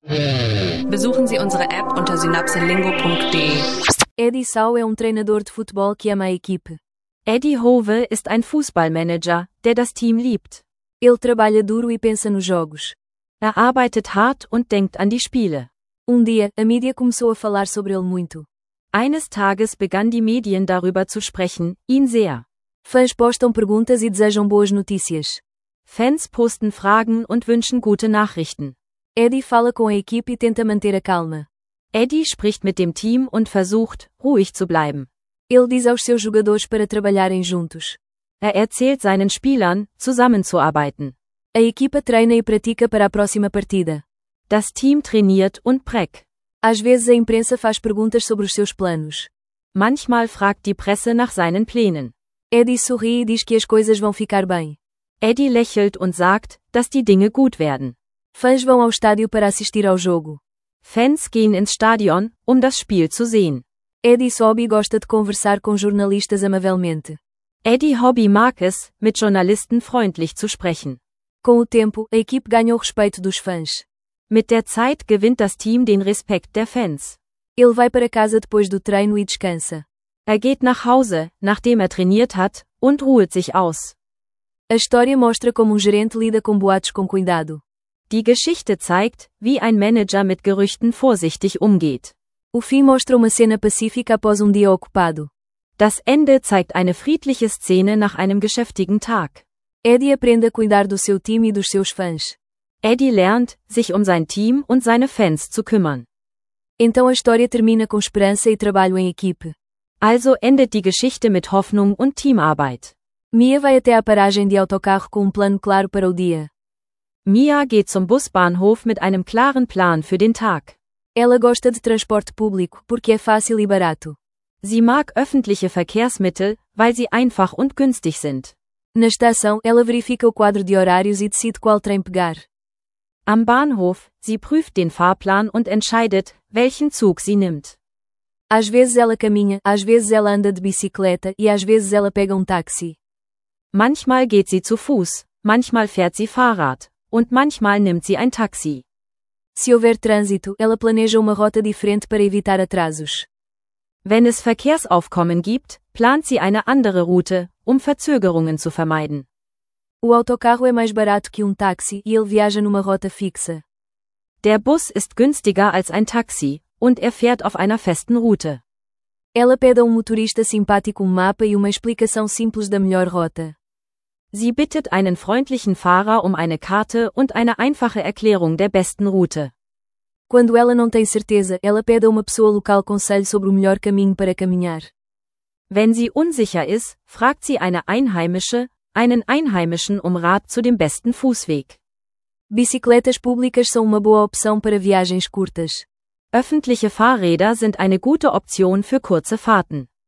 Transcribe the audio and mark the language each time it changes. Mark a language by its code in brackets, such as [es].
[de] Besuchen Sie unsere App unter synapselingo.de. [pt] Eddie Howe é treinador de futebol que ama a equipe. [de] Eddie Howe ist ein Fußballmanager, der das Team liebt. [pt] Ele trabalha duro e pensa nos jogos. [de] Er arbeitet hart und denkt an die Spiele. [pt] Dia, a mídia começou a falar sobre ele muito. [de] Eines Tages begann die Medien darüber zu sprechen, ihn sehr. [pt] Fãs postam perguntas e desejam boas notícias. [de] Fans posten Fragen und wünschen gute Nachrichten. [pt] Eddie fala com a equipe e tenta manter a calma. [de] Eddie spricht mit dem Team und versucht, ruhig zu bleiben. [pt] Ele diz aos seus jogadores para trabalharem juntos. [de] Er erzählt seinen Spielern, zusammenzuarbeiten. [pt] A equipa treina e pratica para a próxima partida. [de] Das Team trainiert und preck. [pt] Às vezes a imprensa faz perguntas sobre os seus planos. [de] Manchmal fragt die Presse nach seinen Plänen. [pt] Eddie sorri e diz que as coisas vão ficar bem. [de] Eddie lächelt und sagt, dass die Dinge gut werden. [pt] Fãs vão ao estádio para assistir ao jogo. [de] Fans gehen ins Stadion, das Spiel zu sehen. [pt] Eddie Hobby gosta de conversar com jornalistas amavelmente. [de] Eddie Hobby mag es, mit Journalisten freundlich zu sprechen. [pt] Com o tempo, a equipe ganha o respeito dos fãs. [de] Mit der Zeit gewinnt das Team den Respekt der Fans. [pt] Ele vai para casa depois do treino e descansa. [de] Er geht nach Hause, nachdem trainiert hat, und ruht sich aus. [pt] A história mostra como gerente lida com boatos com cuidado. [de] Die Geschichte zeigt, wie ein Manager mit Gerüchten vorsichtig umgeht. [pt] O fim mostra uma cena pacífica após dia ocupado. [de] Das Ende zeigt eine friedliche Szene nach einem geschäftigen Tag. [pt] Eddie aprende a cuidar do seu time e dos seus fãs. [de] Eddie lernt, sich sein Team und seine Fans zu kümmern. [pt] Então a história termina com esperança e trabalho em equipe. [de] Also endet die Geschichte mit Hoffnung und Teamarbeit. [pt] Mia vai até à paragem de autocarro com plano claro para o dia. [de] Mia geht zum Busbahnhof mit einem klaren Plan für den Tag. [pt] Ela gosta de transporte público, porque é fácil e barato. [de] Sie mag öffentliche Verkehrsmittel, weil sie einfach und günstig sind. [pt] Na estação, ela verifica o quadro de horários e decide qual trem pegar. [de] Am Bahnhof, sie prüft den Fahrplan und entscheidet, welchen Zug sie nimmt. [pt] Às vezes ela caminha, às vezes ela anda de bicicleta e às vezes ela pega táxi. [de] Manchmal geht sie zu Fuß, manchmal fährt sie Fahrrad und manchmal nimmt sie Taxi. [pt] Se houver trânsito, ela planeja uma rota diferente para evitar atrasos. [de] Wenn es Verkehrsaufkommen gibt, plant sie eine andere Route, Verzögerungen zu vermeiden. [pt] O autocarro é mais barato que táxi e ele viaja numa rota fixa. [de] Der Bus ist günstiger als Taxi und fährt auf einer festen Route. [pt] Ela pede a motorista simpático mapa e explicação simples da melhor rota. [de] Sie bittet einen freundlichen Fahrer eine Karte und eine einfache Erklärung der besten Route. [pt] Quando ela não tem certeza, ela pede a pessoa local conselho sobre o melhor caminho para caminhar. [de] Wenn sie unsicher ist, fragt sie einen Einheimischen Rat zu dem besten Fußweg. [pt] Bicicletas públicas são uma boa opção para viagens curtas. [de] Öffentliche Fahrräder sind eine gute Option für kurze Fahrten.